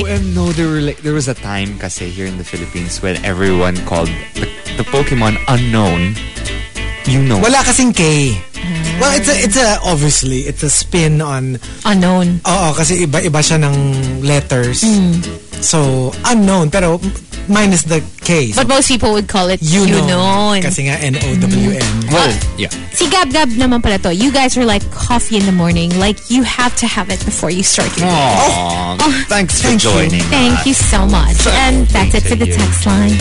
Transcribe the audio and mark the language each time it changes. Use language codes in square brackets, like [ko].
[en] OM, no, there were like, there was a time [tl] kasi [en] here in the Philippines when everyone called the Pokemon unknown. You know. [tl] Wala kasing K. [en] Well, it's a obviously it's a spin on unknown. [tl] Oo, kasi iba siya ng letters. [en] Mm. So unknown, [tl] pero [en] minus the K. So, but most people would call it you know. [tl] Kasi nga N-O-W-N. [en] Well, yeah. [tl] Si Gab Gab naman pala to. [en] You guys are like coffee in the morning. Like, you have to have it before you start your day. Aww. Thanks for joining us. Thank you so much. So, and that's it for the text line.